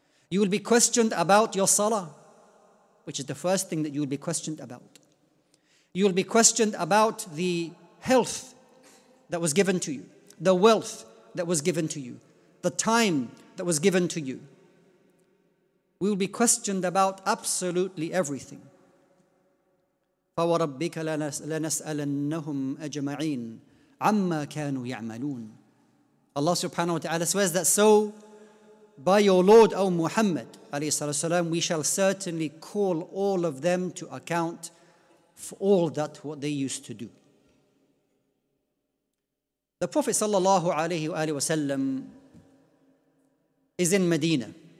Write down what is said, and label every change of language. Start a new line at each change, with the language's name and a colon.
English: You will be questioned about your salah, which is the first thing that you will be questioned about. You will be questioned about the health that was given to you, the wealth that was given to you, the time that was given to you. We will be questioned about absolutely everything.
Arabic: فوربك لنسألنهم أجمعين عما كانوا يعملون.
English: Allah subhanahu wa ta'ala says that, so by your Lord, O Muhammad alayhi salatu wasalam, we shall certainly call all of them to account for all that what they used to do. The Prophet sallallahu alayhi wa alayhi wa sallam is in Medina.